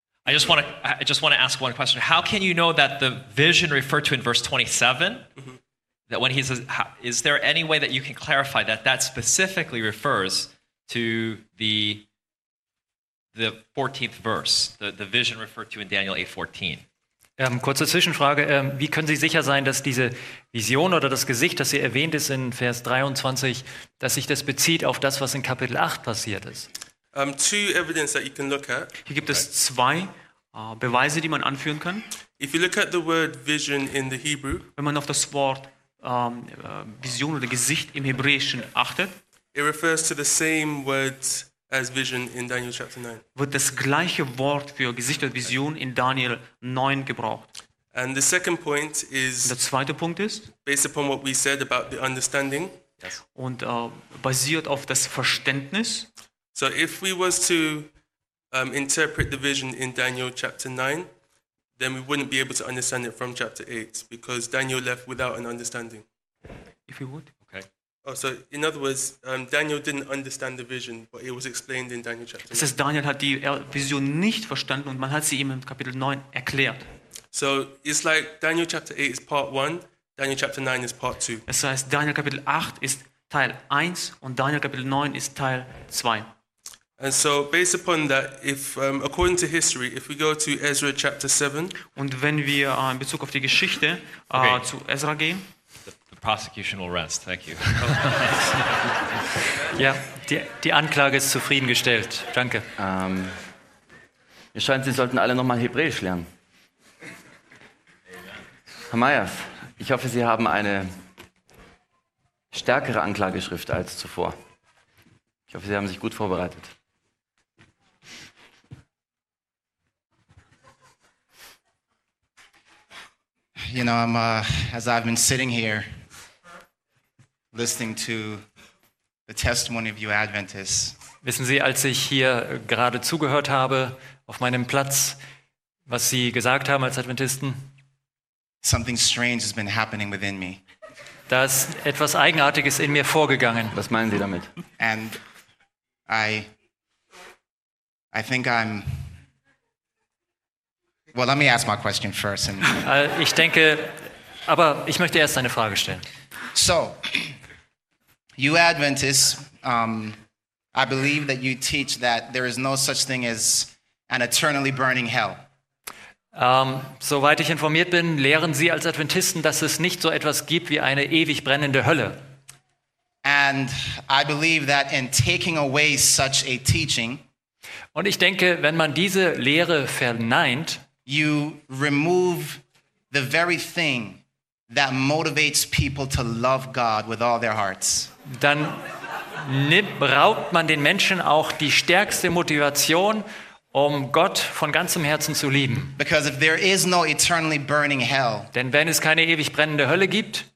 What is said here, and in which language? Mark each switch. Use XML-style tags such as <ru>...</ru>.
<en>I just want to ask one question. How can you know that the vision referred to in verse 27? Mm-hmm. That when he says, is there any way that you can clarify that that specifically refers to the 14th verse, the vision referred to in Daniel 8:14?</en> <de>Kurze Zwischenfrage, wie können Sie sicher sein, dass diese Vision oder das Gesicht, das hier erwähnt ist in Vers 23, dass sich das bezieht auf das, was in Kapitel 8 passiert ist?</de> <en>Two evidence that you can look at.</en> <de>Hier gibt es zwei Beweise, die man anführen kann.</de> <en>If you look at the word vision in the Hebrew,</en> <de>wenn man auf das Wort Vision oder Gesicht im Hebräischen achtet,</de> <en>it refers to the same words as vision in Daniel chapter 9.</en> <de>Wird das gleiche Wort für Gesicht oder Vision in Daniel 9 gebraucht.</de> <en>And the second point is,</en> <de>der zweite Punkt ist,</de> <en>based upon what we said about the understanding,</en> <de>yes. Und basiert auf das Verständnis.</de> <en>So if we was to interpret the vision in Daniel chapter 9, then we wouldn't be able to understand it from chapter 8, because Daniel left without an understanding. If we would. Okay. Oh, so in other words, Daniel didn't understand the vision, but it was explained in Daniel chapter 9.</en> <de>Das heißt, Daniel hat die Vision nicht verstanden und man hat sie ihm im Kapitel 9 erklärt.</de> <en>So it's like Daniel chapter 8 is part 1, Daniel chapter 9 is part 2.</en> <de>Das heißt, Daniel Kapitel 8 ist Teil 1 und Daniel Kapitel 9 ist Teil 2.</de> <en>And so based upon that, if according to history, if we go to Ezra chapter 7,</en> <de>und wenn wir in Bezug auf die Geschichte zu Ezra gehen,</de> <en>the prosecution will rest, thank you.</en> <de>Ja, die Anklage ist zufriedengestellt, danke. Mir scheint, Sie sollten alle nochmal Hebräisch lernen. Herr Mayas, ich hoffe, Sie haben eine stärkere Anklageschrift als zuvor. Ich hoffe, Sie haben sich gut vorbereitet.</de> <en>You know, I'm as I've been sitting here listening to the testimony of you Adventists.</en> <de>Wissen Sie, als ich hier gerade zugehört habe auf meinem Platz, was Sie gesagt haben als Adventisten?</de> <en>Something strange has been happening within me.</en> <de>Da ist etwas Eigenartiges in mir vorgegangen. Was meinen Sie damit?</de> <en>And I think I'm. Well, let me ask my question first.</en> <de>Ich denke, aber ich möchte erst eine Frage stellen.</de> <en>So, You Adventists, I believe that you teach that there is no such thing as an eternally burning hell.</en> <de>Soweit ich informiert bin, lehren Sie als Adventisten, dass es nicht so etwas gibt wie eine ewig brennende Hölle.</de> <en>And I believe that in taking away such a teaching,</en> <de>und ich denke, wenn man diese Lehre verneint,</de> <en>you remove the very thing that motivates people to love God with all their hearts.</en> <de>Dann raubt man den Menschen auch die stärkste Motivation, um Gott von ganzem Herzen zu lieben.</de> <en>Because if there is no eternally burning hell,</en> <de>denn wenn es keine ewig brennende Hölle gibt,</de>